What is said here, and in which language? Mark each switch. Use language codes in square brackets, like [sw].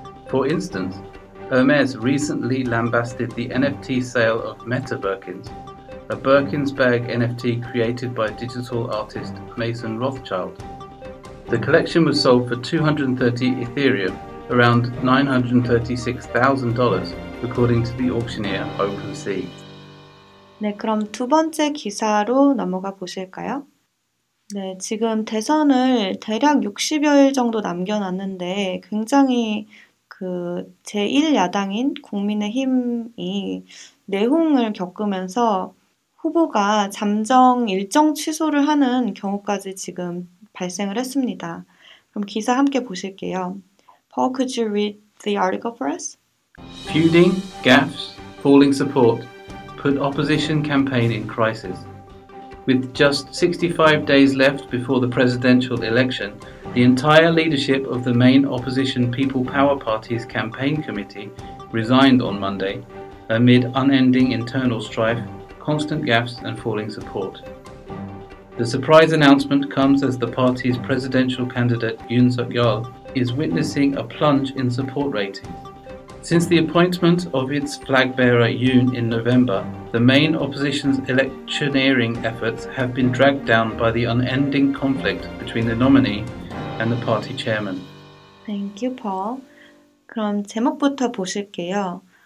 [en] For instance, Hermès recently lambasted the NFT sale of Meta Birkins, a Birkins bag NFT created by digital artist Mason Rothschild. The collection was sold for 230 Ethereum, around $936,000, according to the auctioneer OpenSea. [ko] 네, 그럼 두 번째 기사로 넘어가 보실까요? 네, 지금 대선을 대략 60여일 정도 남겨놨는데 굉장히 그 제1야당인 국민의힘이 내홍을 겪으면서 후보가 잠정 일정 취소를 하는 경우까지 지금 발생을 했습니다. 그럼 기사 함께 보실게요. [en] Paul, could you read the article for us? Feuding, gaffes, falling support put opposition campaign in crisis. With just 65 days left before the presidential election, the entire leadership of the main opposition People Power Party's campaign committee resigned on Monday amid unending internal strife, constant gaffes and falling support. The surprise announcement comes as the party's presidential candidate Yoon Suk-yeol is witnessing a plunge in support ratings. Since the appointment of its flag bearer Yoon in November, the main opposition's electioneering efforts have been dragged down by the unending conflict between the nominee and the party chairman. Thank you, Paul. [ko] 그럼 제목부터 보실게요.